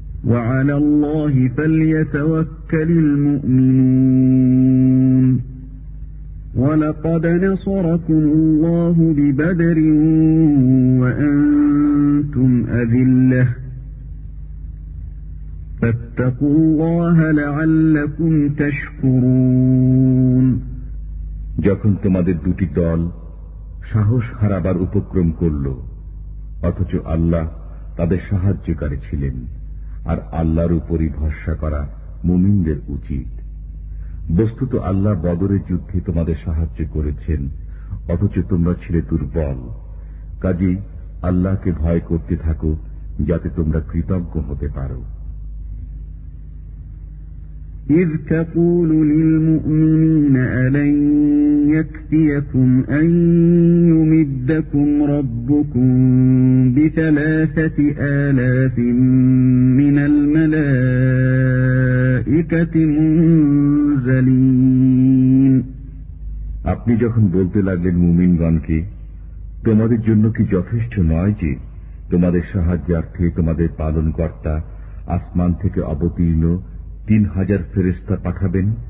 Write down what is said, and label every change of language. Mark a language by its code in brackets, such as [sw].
[ar] وعلى الله فليتوكل المؤمنون ولقد نصركم الله ببدر وأنتم أذلة فاتقوا الله لعلكم تشكرون [bn] যখন তোমাদের দুটি দল সাহস হারাবার উপক্রম করল, অথচ আল্লাহ তাদের সাহায্যকারী ছিলেন, আর আল্লাহর উপরই ভরসা করা মুমিনদের উচিত। বস্তুত আল্লাহ বদরের যুদ্ধে তোমাদের সাহায্য করেছেন, অথচ তোমরা ছিলে দুর্বল। কাজেই আল্লাহকে ভয় করতে থাকো যাতে তোমরা কৃতজ্ঞ হতে পারো। إذ تقول للمؤمنين ألن يكفيكم أن يمدكم ربكم بثلاثة آلاف من الملائكة منزلين আপনি যখন বলতে লাগলেন মুমিনগণকে, তোমাদের জন্য কি যথেষ্ট নয় যে তোমাদের সাহায্যার্থে তোমাদের পালনকর্তা আসমান থেকে অবতীর্ণ 3,000 ফেরেশতা পাঠাবেন?